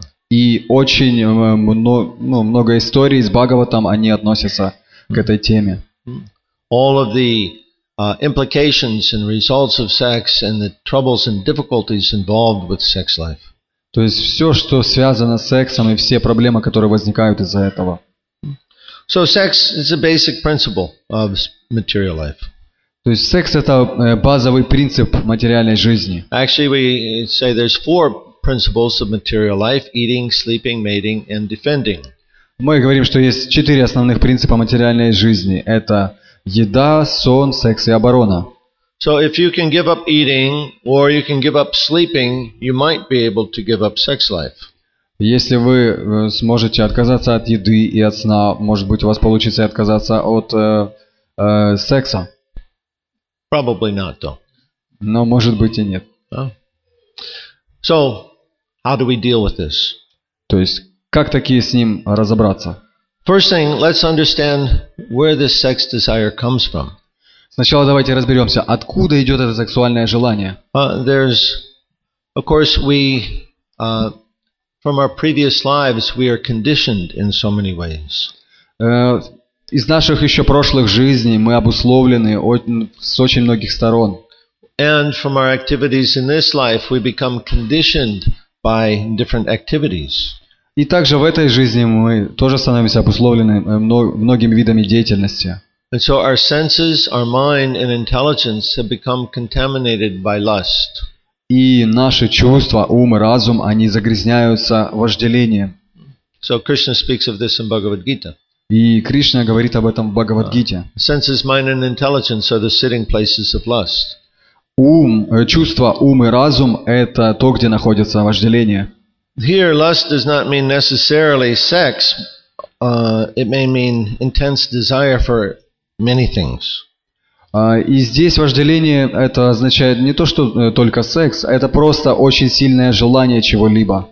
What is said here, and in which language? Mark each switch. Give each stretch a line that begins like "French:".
Russian: И очень много историй с Бхагаватам, они относятся к этой теме.
English: All of the implications and results of sex and the troubles and difficulties involved with sex life.
Russian: То есть все, что связано с сексом и все проблемы, которые возникают из-за этого.
English: So sex is a basic principle of material life.
Russian: То есть секс это базовый принцип материальной жизни.
English: Actually, we say there's four principles of material life: eating, sleeping, mating, and defending.
Russian: Мы говорим, что есть четыре основных принципа материальной жизни. Это еда, сон, секс и оборона.
English: So if you can give up eating or you can give up sleeping, you might be able to give up sex life.
Russian: Если вы сможете отказаться от еды и от сна, может быть, у вас получится отказаться от секса.
English: Probably not, though.
Russian: Но может быть и нет.
English: So how do we deal with this?
Russian: То есть как такие с ним разобраться?
English: First thing, let's understand where this sex desire comes from.
Russian: Сначала давайте разберемся, откуда идет это сексуальное желание.
English: There's, of course, we from our previous lives we are conditioned in so many ways.
Russian: Из наших еще прошлых жизней мы обусловлены с очень многих сторон.
English: And from our activities in this life we become conditioned by different activities.
Russian: И также в этой жизни мы тоже становимся обусловлены многими видами деятельности.
English: And so our senses, our mind, and intelligence have become contaminated by lust.
Russian: И наши чувства, ум и разум, они загрязняются вожделением.
English: So Krishna speaks of this in Bhagavad Gita.
Russian: И Кришна говорит об этом в Бхагавад Гите.
English: Senses, mind, and intelligence are the sitting places of lust.
Russian: Ум, чувства, ум и разум – это то, где находится вожделение.
English: Here, lust does not mean necessarily sex. It may mean intense desire for many things.
Russian: И здесь вожделение это означает не то, что только секс, это просто очень сильное желание чего-либо.